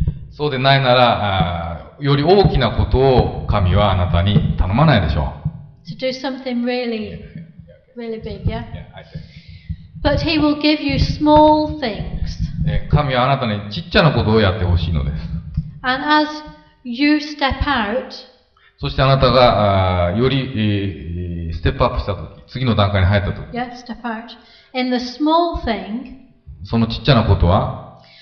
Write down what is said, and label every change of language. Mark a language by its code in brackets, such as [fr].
[ja] そうでないなら、より大きなことを神はあなたに頼まないでしょう。 [en] To do something really, really big, yeah? But he will give you small things. [ja] 神はあなたにちっちゃなことをやってほしいのです。 [en] And as You step out, [ja] そしてあなたがより、ステップアップしたとき、次の段階に入ったとき、 [en] yeah, step out. In the small thing, [ja] そのちっちゃなことは、